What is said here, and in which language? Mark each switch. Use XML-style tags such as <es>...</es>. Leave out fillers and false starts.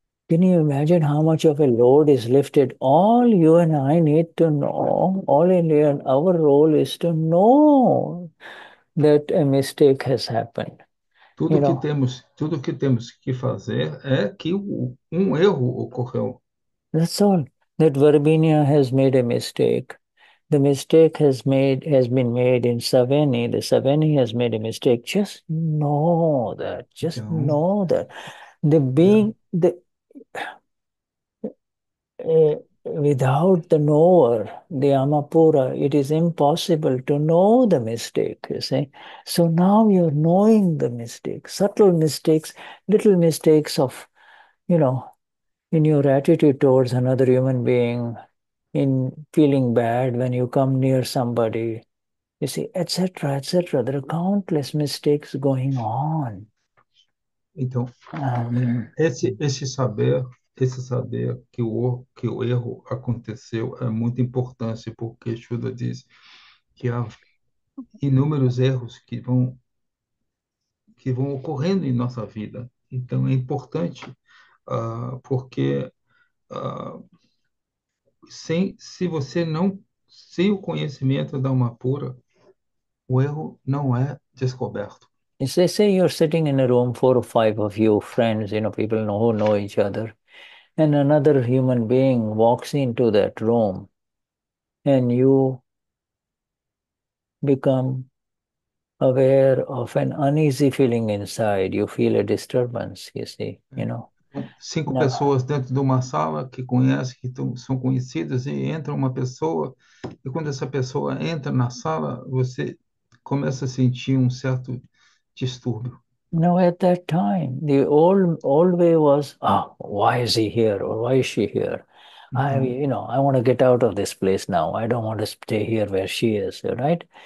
<en>Can you imagine how much of a load is lifted? All you and I need to know, all India, our role is to know that a mistake has happened. You know.</en> <pt>Tudo que temos que fazer é que um erro ocorreu.</pt> <en>That's all. That Varbinia has made a mistake. The mistake has been made in Saveni. The Saveni has made a mistake. Just know that. Just</en> <pt>Então,</pt> <en>know that. The being, the Without the knower, the Amapura, it is impossible to know the mistake, you see. So now you're knowing the mistake, subtle mistakes, little mistakes of, you know, in your attitude towards another human being, in feeling bad when you come near somebody, you see, etc., etc. There are countless mistakes going on.</en> <pt>Então, esse saber que o erro aconteceu é muito importante, porque Shuddha diz que há inúmeros erros que vão ocorrendo em nossa vida. Então, é importante, porque sem se você não sem o conhecimento da Amapura, o erro não é descoberto.</pt> <en>Say you're sitting in a room, four or five of you, friends, you know, people who know each other, and another human being walks into that room, and you become aware of an uneasy feeling inside. You feel a disturbance, you see, you know.</en> <pt>Cinco</pt> <en>Now,</en> <pt>pessoas dentro de uma sala que conhece, que são conhecidas, e entra uma pessoa, e quando essa pessoa entra na sala, você começa a sentir um certo distúrbio.</pt> <en>Now, at that time, the old way was, why is he here or why is she here?</en> <pt>Então,</pt> <en>I want to get out of this place now. I don't want to stay here where she is, right?</en>